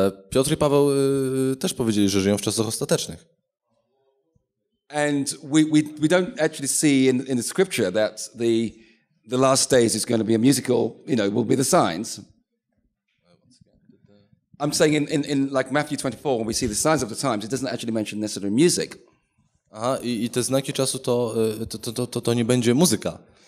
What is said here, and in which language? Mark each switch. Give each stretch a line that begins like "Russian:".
Polish: Piotr i Paweł też powiedzieli, że żyją w czasach ostatecznych.
English: And we don't actually see in the scripture that the last days is going to be a musical, you know, will be the signs. I'm saying in like Matthew 24 when we see the signs of the times, it doesn't actually mention necessarily music.
Polish: Aha, i te znaki czasu to nie będzie muzyka.